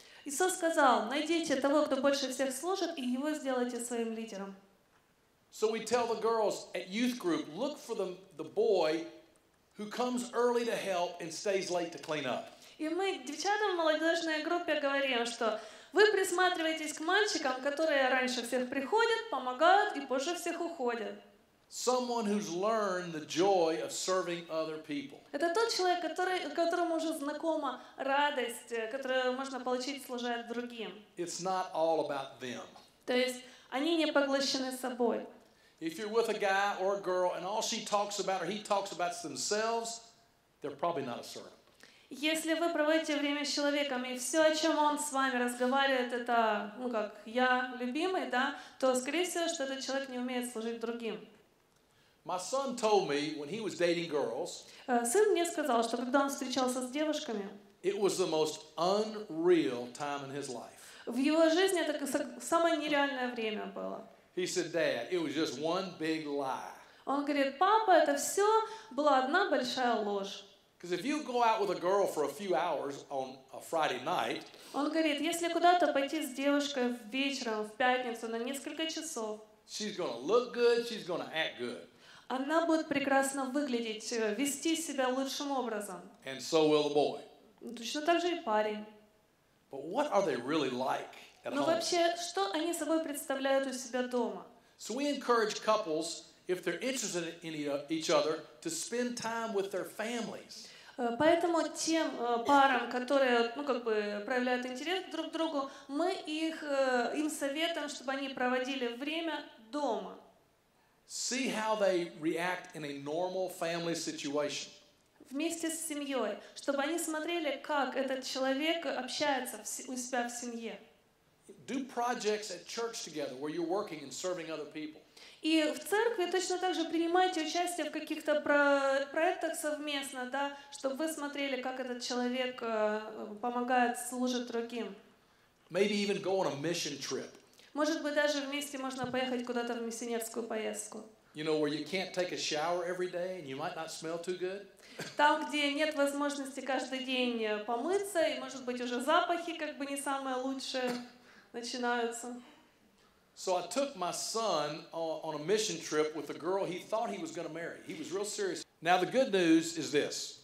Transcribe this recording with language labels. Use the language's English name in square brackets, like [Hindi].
[Russian] Иисус сказал, найдите того, кто больше всех служит, и его сделайте своим лидером. [English] So we tell the girls at youth group, look for the boy who comes early to help and stays late to clean up. [Russian] И мы девчатам в молодежной группе говорим, что вы присматриваетесь к мальчикам, которые раньше всех приходят, помогают и позже всех уходят. [English] Someone who's learned the joy of serving other people. [Russian] Это тот человек, которому уже знакома радость, которую можно получить, служа другим. [English] It's not all about them. [Russian] То есть они не поглощены собой. [English] If you're with a guy or a girl and all she talks about or he talks about themselves, they're probably not a servant. [Russian] Если вы проводите время с человеком, и все, о чем он с вами разговаривает, это, ну как, я любимый, да, то, скорее всего, что этот человек не умеет служить другим. [English] My son told me, when he was dating girls, [Russian] сын мне сказал, что когда он встречался с девушками, [English] it was the most unreal time in his life. [Russian] В его жизни это самое нереальное время было. [English] He said, Dad, it was just one big lie. [Russian] Он говорит, папа, это все была одна большая ложь. [English] Because if you go out with a girl for a few hours on a Friday night, [Russian] он говорит, если куда-то пойти с девушкой вечером в пятницу на несколько часов, [English] she's gonna look good, she's gonna act good. [Russian] Она будет прекрасно выглядеть, вести себя лучшим образом. [English] And so will the boy. [Russian] Точно так же и парень. [English] But what are they really like at [Russian] Но [English] home? [Russian] Ну вообще, что они собой представляют у себя дома? [English] So we encourage couples, if they're interested in each other, to spend time with their families. [Russian] Поэтому тем парам, которые, ну как бы, проявляют интерес друг к другу, мы им советуем, чтобы они проводили время дома. [English] See how they react in a normal family situation. [Russian] Вместе с семьей, чтобы они смотрели, как этот человек общается у себя в семье. [English] Do projects at church together, where you're working and serving other people. [Russian] И в церкви точно так же принимайте участие в каких-то проектах совместно, да, чтобы вы смотрели, как этот человек помогает, служит другим. [English] Maybe even go on a mission trip. [Russian] Может быть, даже вместе можно поехать куда-то в миссионерскую поездку. [English] You know, where you can't take a shower every day and you might not smell too good. [Russian] Там, где нет возможности каждый день помыться, и, может быть, уже запахи как бы не самые лучшие начинаются. [English] So I took my son on a mission trip with a girl he thought he was going to marry. He was real serious. Now the good news is this.